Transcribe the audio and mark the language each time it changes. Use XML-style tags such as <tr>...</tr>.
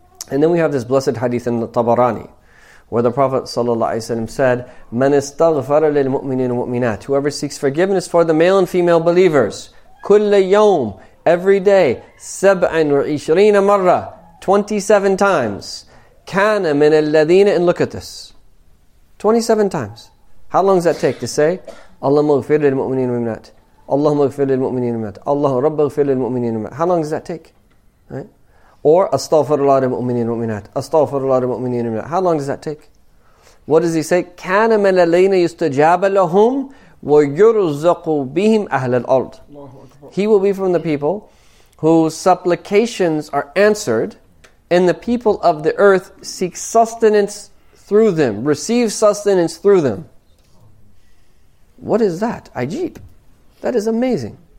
<en>And then we have this blessed hadith in the Tabarani, where the Prophet ﷺ said,</en> <ar>مَنْ اسْتَغْفَرَ لِلْمُؤْمِنِينَ وَالْمُؤْمِنَاتِ.</ar> <en>Whoever seeks forgiveness for the male and female believers,</en> <ar>كُلَّ يَوْمٍ,</ar> <en>every day,</en> <ar>سَبْعًا وَعِشْرِينَ مَرَّةً,</ar> <en>27 times,</en> <ar>كَانَ مِنَ الَّذِينَ.</ar> <en>And look at this, 27 times. How long does that take to say?</en> <ar>اللهم اغفر للمؤمنين والمؤمنات. اللهم اغفر للمؤمنين والمؤمنات. اللهم رب اغفر للمؤمنين والمؤمنات.</ar> <en>How long does that take? Right? Or</en> <ar>استغفر الله للمؤمنين والمؤمنات. استغفر الله للمؤمنين والمؤمنات.</ar> <en>How long does that take? What does he say?</en> <ar>كان من الذين يستجاب لهم ويرزق بهم أهل الأرض.</ar> <en>He will be from the people whose supplications are answered and the people of the earth seek sustenance through them, receive sustenance through them. What is that? Ajib. That is amazing.</en>